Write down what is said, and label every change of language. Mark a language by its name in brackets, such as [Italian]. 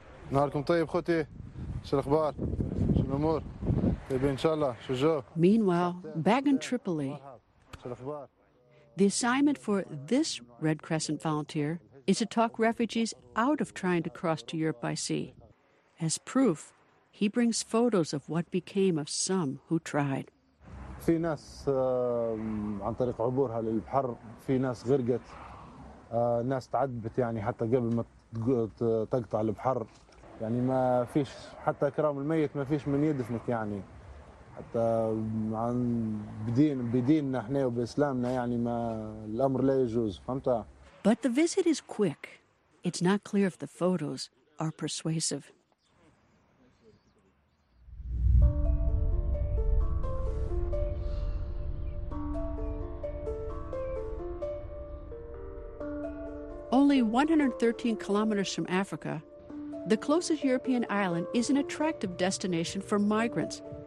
[Arabic] نهاركم طيب خوتي، شو الأخبار؟ شو الأمور؟ طيب إن شاء الله. شو جو؟ [English] Meanwhile, back in Tripoli, the assignment for this Red Crescent volunteer is to talk refugees out of trying to cross to Europe by sea. As proof, he brings photos of what became of some who tried. [Arabic] في ناس عن طريق عبورها للبحر، في ناس غرقت، ناس تعذبت يعني حتى قبل ما تقطع البحر. يعني ما فيش حتى كرام الميت، ما فيش من يدفنك يعني حتى عن بدين بديننا احنا وباسلامنا، يعني ما الامر لا يجوز، فهمت؟ [English] But the visit is quick. It's not clear if the photos are persuasive. Only 113 kilometers from Africa, the closest European island is an attractive destination for migrants.